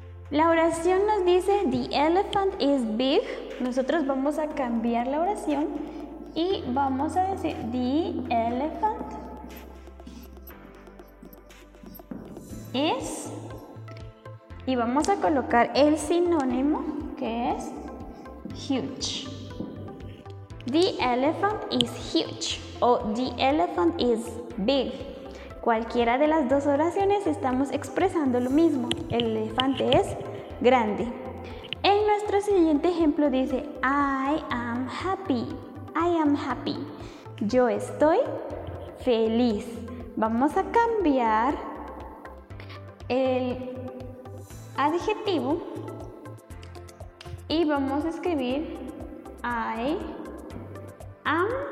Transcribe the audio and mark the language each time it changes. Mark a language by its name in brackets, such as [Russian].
[Spanish] La oración nos dice [English] the elephant is big. [Spanish] Nosotros vamos a cambiar la oración y vamos a decir [English] the elephant is, [Spanish] y vamos a colocar el sinónimo, que es huge. [English] The elephant is huge o the elephant is big. [Spanish] Cualquiera de las dos oraciones estamos expresando lo mismo. El elefante es grande. En nuestro siguiente ejemplo dice [English] I am happy. I am happy. [Spanish] Yo estoy feliz. Vamos a cambiar el adjetivo y vamos a escribir [English] I am.